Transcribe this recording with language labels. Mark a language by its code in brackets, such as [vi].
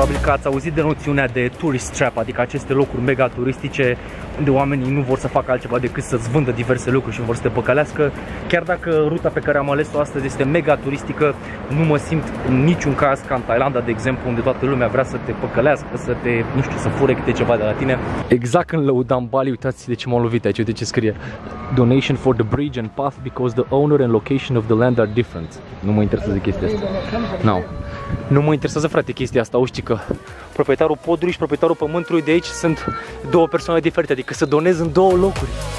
[ro] Ați auzit de noțiunea de tourist trap, adică aceste locuri mega turistice unde oamenii nu vor să facă altceva decât să-ți vândă diverse lucruri și vor să te păcălească. Chiar dacă ruta pe care am ales-o astăzi este mega turistică, nu mă simt în niciun caz ca în Thailanda, de exemplu, unde toată lumea vrea să te păcălească, să te, nu știu, să fure câte ceva de la tine. Exact când lăudam Bali, uitați de ce m-am lovit aici, uite ce scrie. [en] Donation for the bridge and path because the owner and location of the land are different. [ro] Nu mă interesează chestia asta. No. Nu mă interesează, frate, chestia asta. Uști că proprietarul podului și proprietarul pământului de aici sunt două persoane diferite, adică să donez în două locuri.